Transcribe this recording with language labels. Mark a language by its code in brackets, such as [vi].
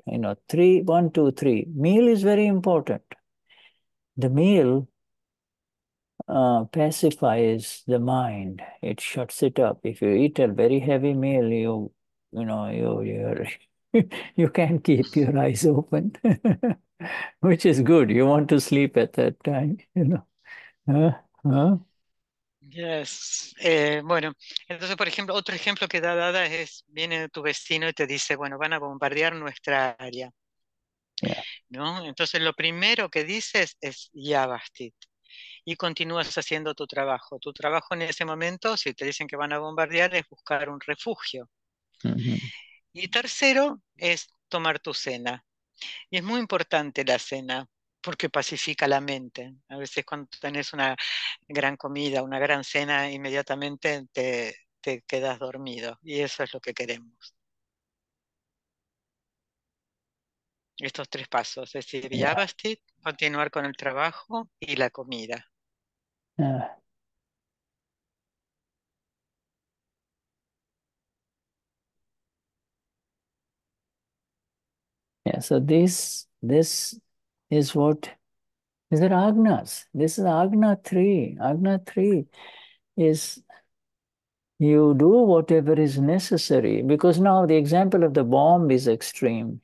[en] You know, three, one, two, three. Meal is very important. The meal pacifies the mind. It shuts it up. If you eat a very heavy meal, you know, you can't keep your eyes open, which is good. You want to sleep at that time, you know. Yes. [es] Bueno, entonces, por ejemplo, otro ejemplo que da Dada es, viene tu vecino y te dice, bueno, van a bombardear nuestra área. ¿No? Entonces, lo primero que dices es, ya basta. Y continúas haciendo tu trabajo. Tu trabajo en ese momento, si te dicen que van a bombardear, es buscar un refugio. Y tercero es tomar tu cena. Y es muy importante la cena, porque pacifica la mente. A veces cuando tenés una gran comida, una gran cena, inmediatamente te quedas dormido. Y eso es lo que queremos. Estos tres pasos, es decir, yavastit, continuar con el trabajo y la comida. [en] Yeah, so this is what is it agnas. This is agna 3. Agna 3 is you do whatever is necessary, because now the example of the bomb is extreme.